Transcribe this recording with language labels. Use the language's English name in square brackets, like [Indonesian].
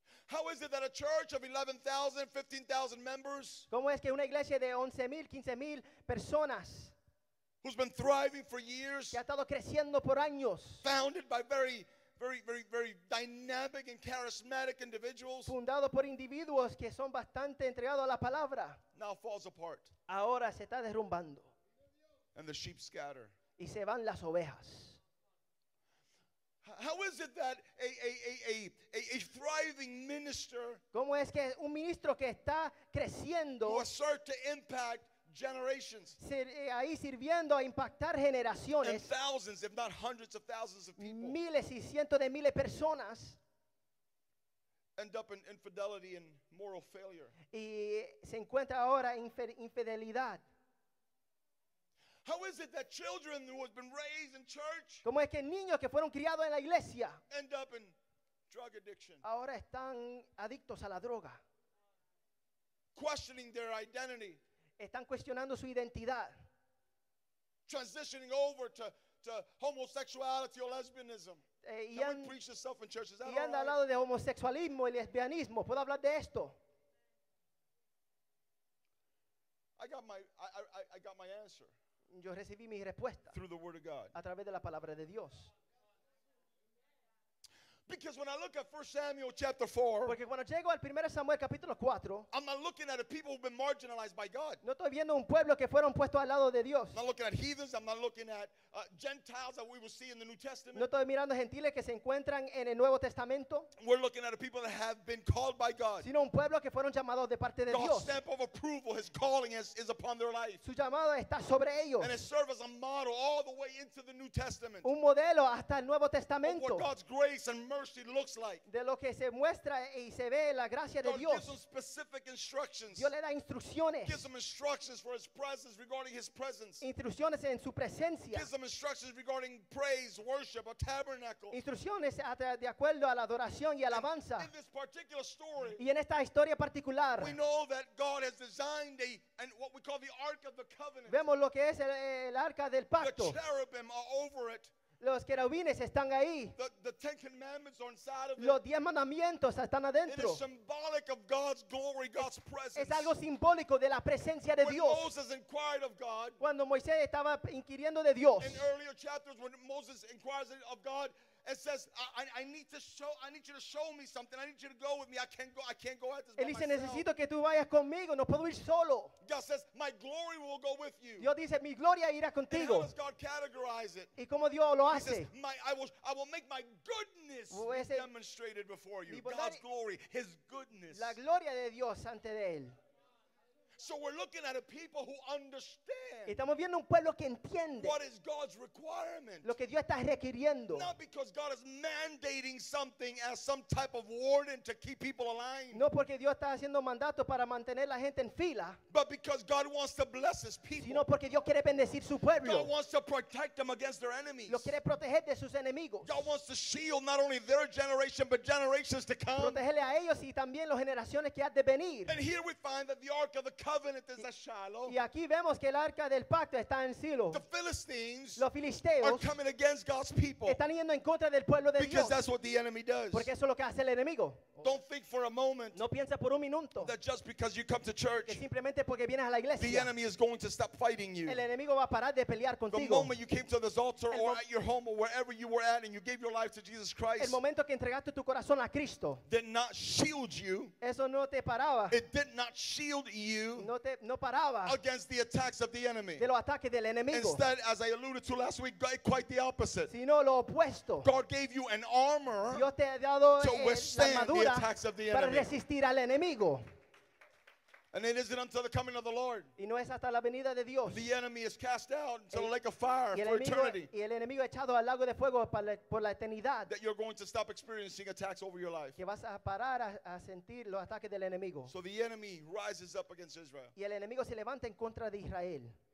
[English] How is it that a church of 11,000, 15,000 members, [Spanish] ¿cómo es que una iglesia de 11,000, 15,000 personas, [English] who's been thriving for years, [Spanish] que ha estado creciendo por años, [English] founded by very very, very, very dynamic and charismatic individuals, [Spanish] fundado por individuos que son bastante entregados a la palabra, [English] now falls apart. [Spanish] Ahora se está derrumbando. [English] And the sheep scatter. [Spanish] Y se van las ovejas. [English] How is it that a thriving minister, [Spanish] ¿cómo es que un ministro que está creciendo, [English] who assert to impact generations, [Spanish] ahí sirviendo a impactar generaciones, [English] and thousands, if not hundreds of thousands of people, [Spanish] miles y cientos de miles de personas, [English] end up in infidelity and moral failure, [Spanish] y se encuentra ahora en infidelidad? [English] How is it that children who have been raised in church, [Spanish] ¿cómo es que niños que fueron criados en la iglesia, [English] end up in drug addiction, [Spanish] ahora están adictos a la droga, [English] questioning their identity? [Spanish] Están cuestionando su identidad. [English] Transitioning over to homosexuality or lesbianism. Can we preach this stuff in churches? [Spanish] Y anda al lado de homosexualismo y lesbianismo. ¿Puedo hablar de esto? [English] I got my answer. [Spanish] Yo recibí mi respuesta. [English] Through the word of God. [Spanish] A través de la palabra de Dios. [English] Because when I look at 1 Samuel chapter 4, [Spanish] porque cuando llego al 1 Samuel capítulo 4, [English] I'm not looking at a people who've been marginalized by God. [Spanish] No estoy viendo un pueblo que fueron puestos al lado de Dios. [English] I'm not looking at heathens, I'm not looking at Gentiles that we will see in the New Testament. [Spanish] No estoy mirando gentiles que se encuentran en el Nuevo Testamento. [English] We're looking at a people that have been called by God. [Spanish] Sino un pueblo que fueron llamados de parte de Dios. [English] God's stamp of approval, his calling is upon their life. [Spanish] Su llamado está sobre ellos. [English] And it serves as a model all the way into the New Testament. [Spanish] Un modelo hasta el Nuevo Testamento. [English] Of what God's grace and mercy looks like. [Spanish] De lo que se muestra y se ve la gracia de Dios. [English] Gives them specific instructions. [Spanish] Dios le da instrucciones. [English] Gives them instructions for his presence regarding his presence. [Spanish] Instrucciones en su presencia. [English] Gives them instructions regarding praise, worship, a tabernacle. [Spanish] Instrucciones de acuerdo a la adoración y alabanza. [English] In this particular story. [Spanish] Y en esta historia particular. [English] We know that God has designed and what we call the Ark of the Covenant. [Spanish] Vemos lo que es el arca del pacto. [English] The cherubim are over it. [Spanish] Los querubines están ahí. [English] The Ten Commandments are inside of it. [Spanish] Los diez mandamientos están adentro. [English] It is symbolic of God's glory, God's presence. [Spanish] Es algo simbólico de la presencia de Dios. [English] When Moses inquired of God, [Spanish] cuando Moisés estaba inquiriendo de Dios. [English] In earlier chapters, when Moses inquires of God, it says, I need to show. I need you to show me something. I need you to go with me. I can't go. I can't go at this. [Spanish] Él dice, necesito que tú vayas conmigo. No puedo ir solo. [English] God says, my glory will go with you. [Spanish] Dios dice, mi gloria irá contigo. [English] And how does God categorize it? [Spanish] ¿Y cómo Dios lo hace? [English] He says, I will make my goodness demonstrated before you. God's glory, his goodness. [Spanish] La gloria de Dios ante de él. [English] So we're looking at a people who understand. [Spanish] Estamos viendo un pueblo que entiende. [English] What is God's requirement? [Spanish] Lo que Dios está requiriendo. [English] Not because God is mandating something as some type of warden to keep people aligned. [Spanish] No porque Dios está haciendo mandato para mantener la gente en fila. [English] But because God wants to bless his people. [Spanish] Sino porque Dios quiere bendecir su pueblo. [English] God wants to protect them against their enemies. [Spanish] Lo quiere proteger de sus enemigos. [English] God wants to shield not only their generation but generations to come. [Spanish] Protegerle a ellos y también las generaciones que han de venir. [English] And here we find that the Ark of the Covenant is a Shiloh. [Spanish] Y aquí vemos que el arca del pacto está en Silo. [English] The Philistines, [Spanish] los filisteos, [English] are coming against God's people. [Spanish] Están yendo en contra del pueblo de [English] Dios. Because that's what the enemy does. [Spanish] Porque eso es lo que hace el enemigo. [English] Don't think for a moment. [Spanish] No piensa por un minuto. [English] That just because you come to church, [Spanish] que simplemente porque vienes a la iglesia, [English] the enemy is going to stop fighting you. [Spanish] El enemigo va a parar de pelear contigo. [English] The moment you came to this altar, or at your home, or wherever you were at, and you gave your life to Jesus Christ, [Spanish] el momento que entregaste tu corazón a Cristo, [English] did not shield you. [Spanish] Eso no te paraba. [English] It did not shield you. [Spanish] No paraba [English] against the attacks of the enemy. [Spanish] De los ataques del enemigo. [English] Instead, as I alluded to last week, quite the opposite. [Spanish] Sino lo opuesto. [English] God gave you an armor. [Spanish] Dios te ha dado [English] to withstand the attacks of the enemy. [Spanish] Para resistir al enemigo. [English] And it isn't until the coming of the Lord. [Spanish] Y no es hasta la venida de Dios. [English] The enemy is cast out into the lake of fire for eternity. [Spanish] Y el enemigo echado al lago de fuego por la eternidad. [English] That you're going to stop experiencing attacks over your life. [Spanish] Que vas a parar a sentir los ataques del enemigo. [English] So the enemy rises up against Israel. [Spanish] Y el enemigo se levanta en contra de Israel.